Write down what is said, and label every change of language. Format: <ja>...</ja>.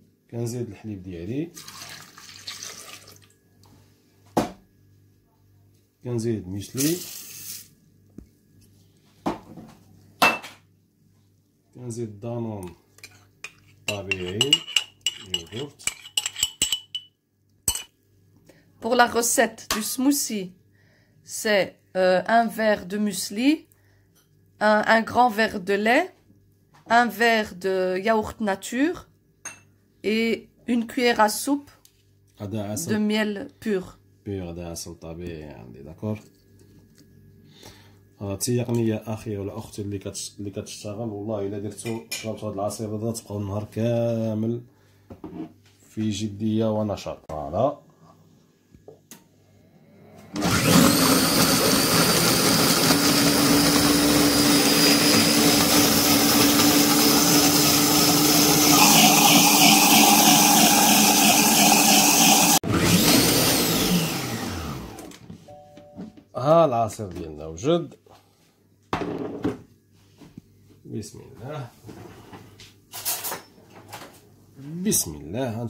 <ar>كنزيد الحليب ديالي، كنزيد ميسلي، كنزيد دانون طبيعي يوغورت.</ar> <fr>Pour la recette du smoothie, c'est un verre de muesli, un grand verre de lait, un verre de yaourt nature et une cuillère à soupe de miel pur. Pur, d'accord.</fr> <ar>التقنية أخي ولا أختي اللي كتشتغل، والله إلا درتو شربتو هاد العصير هذا تبقى النهار كامل في جدية ونشاط. فوالا ها العصير ديالنا وجد، بسم الله بسم الله.</ar>